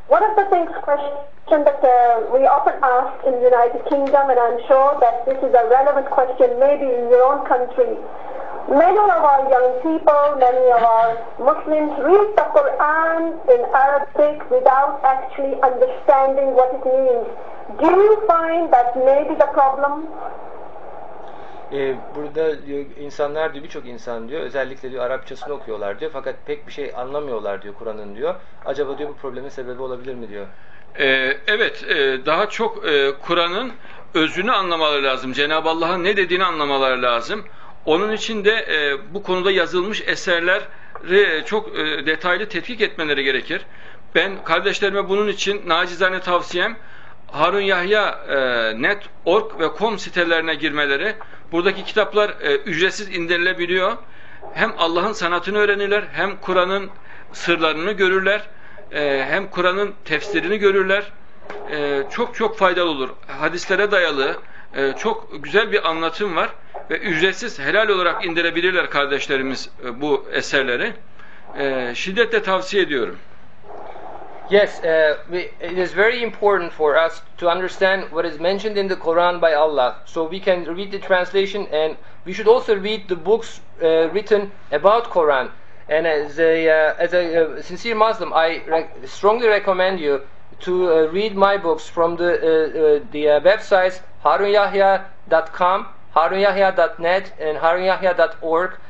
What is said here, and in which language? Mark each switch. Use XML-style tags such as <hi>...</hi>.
<en>One of the things, question that we often ask in the United Kingdom, and I'm sure that this is a relevant question maybe in your own country. Many of our young people, many of our Muslims read the Quran in Arabic without actually understanding what it means. Do you find that maybe the problem?</en> <tr>Burada diyor, insanlar diyor, birçok insan diyor, özellikle diyor Arapçasını okuyorlar diyor, fakat pek bir şey anlamıyorlar diyor Kur'an'ın diyor. Acaba diyor bu problemin sebebi olabilir mi diyor? Evet, daha çok Kur'an'ın özünü anlamaları lazım. Cenab-ı Allah'ın ne dediğini anlamaları lazım. Onun için de bu konuda yazılmış eserleri çok detaylı tetkik etmeleri gerekir. Ben kardeşlerime bunun için nacizane tavsiyem Harun Yahya net.org ve com sitelerine girmeleri. Buradaki kitaplar ücretsiz indirilebiliyor. Hem Allah'ın sanatını öğrenirler, hem Kur'an'ın sırlarını görürler, hem Kur'an'ın tefsirini görürler. Çok çok faydalı olur. Hadislere dayalı çok güzel bir anlatım var ve ücretsiz helal olarak indirebilirler kardeşlerimiz bu eserleri. Şiddetle tavsiye ediyorum.</tr> <en>Yes, it is very important for us to understand what is mentioned in the Quran by Allah. So we can read the translation, and we should also read the books written about Quran. And as a sincere Muslim, I strongly recommend you to read my books from the websites harunyahya.com, harunyahya.net, and harunyahya.org.</en>